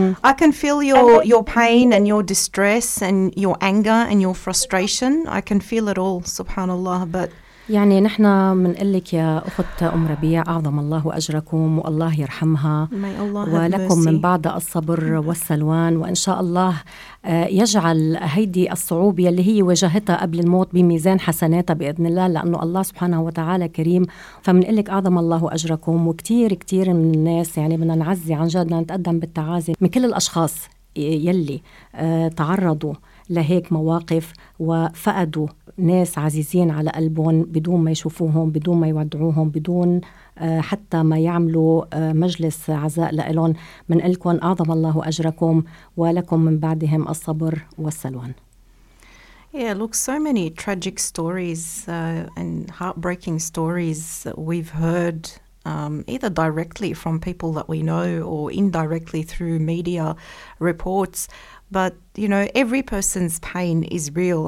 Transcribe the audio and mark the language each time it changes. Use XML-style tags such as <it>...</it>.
<en>I can feel your pain and your distress and your anger and your frustration. I can feel it all, SubhanAllah, but...</en> <ar>يعني نحن بنقول لك يا أخت أم ربيع أعظم الله أجركم والله يرحمها ولكم من بعد الصبر والسلوان وإن شاء الله يجعل هيدي الصعوبة اللي هي واجهتها قبل الموت بميزان حسناتها بإذن الله لأنه الله سبحانه وتعالى كريم فمنقول لك أعظم الله أجركم وكتير كتير من الناس يعني بدنا نعزي عن جد نتقدم بالتعازي من كل الأشخاص يلي تعرضوا لهيك مواقف وفقدوا ناس عزيزين على قلبهم بدون ما يشوفوهم بدون ما يودعوهم بدون حتى ما يعملوا مجلس عزاء لإلهم من قلكم أعظم الله أجركم ولكم من بعدهم الصبر والسلوان.</ar> <en>Yeah, look, so many tragic stories and heartbreaking stories we've heard either directly from people that we know or indirectly through media reports. But, you know, every person's pain is real.</en>